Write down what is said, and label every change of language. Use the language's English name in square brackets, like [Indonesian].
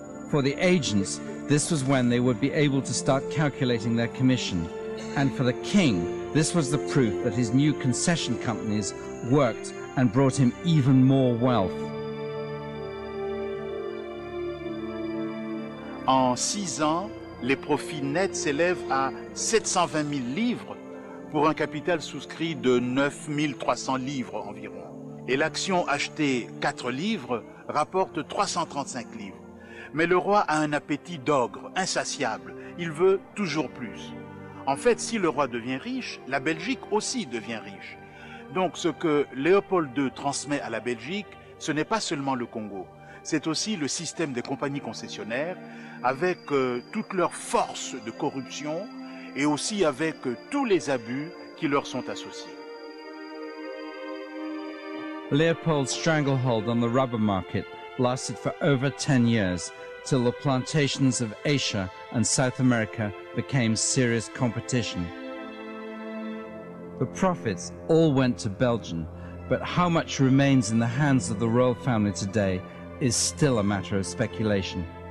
[English] For the agents, this was when they would be able to start calculating their commission. And for the king, this was the proof that his new concession companies worked and brought him even more wealth. [French] En 6 ans, les profits nets s'élèvent à 720 000 livres pour un capital souscrit de 9 300 livres environ. Et l'action achetée 4 livres rapporte 335 livres. Mais le roi a un appétit d'ogre, insatiable. Il veut toujours plus. En fait, si le roi devient riche, la Belgique aussi devient riche. Donc ce que Léopold II transmet à la Belgique, ce n'est pas seulement le Congo. C'est aussi le système des compagnies concessionnaires, avec toute leur force de corruption et aussi avec tous les abus qui leur sont associés. [English] Leopold's stranglehold on the rubber market lasted for over 10 years till the plantations of Asia and South America became serious competition. The profits all went to Belgium, but how much remains in the hands of the royal family today is still a matter of speculation.